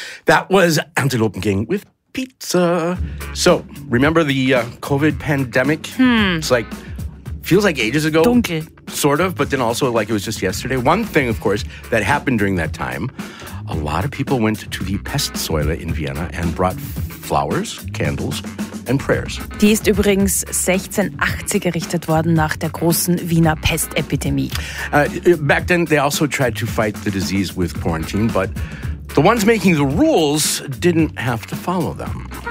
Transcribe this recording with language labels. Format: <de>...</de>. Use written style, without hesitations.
<en>That was Antelope King with pizza. So, remember the COVID pandemic? It's like, feels like ages ago. Dunkel. Sort of, but then also like it was just yesterday. One thing, of course, that happened during that time, a lot of people went to the Pestsäule in Vienna and brought flowers, candles, and prayers.</en> <de>Die ist übrigens 1680 errichtet worden nach der großen Wiener Pestepidemie.</de> <en>Back then, they also tried to fight the disease with quarantine, but the ones making the rules didn't have to follow them.</en>